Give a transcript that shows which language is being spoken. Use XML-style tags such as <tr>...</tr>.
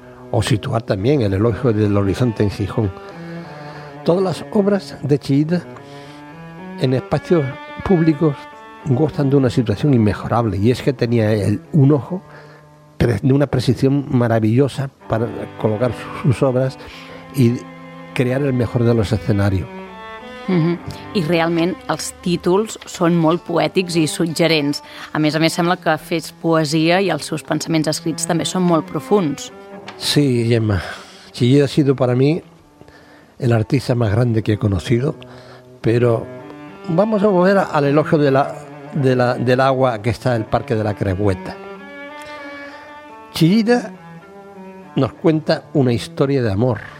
<es>O situar también el elogio del horizonte en Gijón. Todas las obras de Chillida en espacios públicos gozan de una situación inmejorable, y es que tenía un ojo de una precisión maravillosa para colocar sus obras y crear el mejor de los escenarios.</es> <ca>I realment els títols són molt poètics i suggerents. A més sembla que fes poesia i els seus pensaments escrits també són molt profunds. Sí, Gemma.</ca> <es>Chillida ha sido para mí el artista más grande que he conocido, pero vamos a volver al elogio del agua que está en el Parque de la Crehueta. Chillida nos cuenta una historia de amor.</es>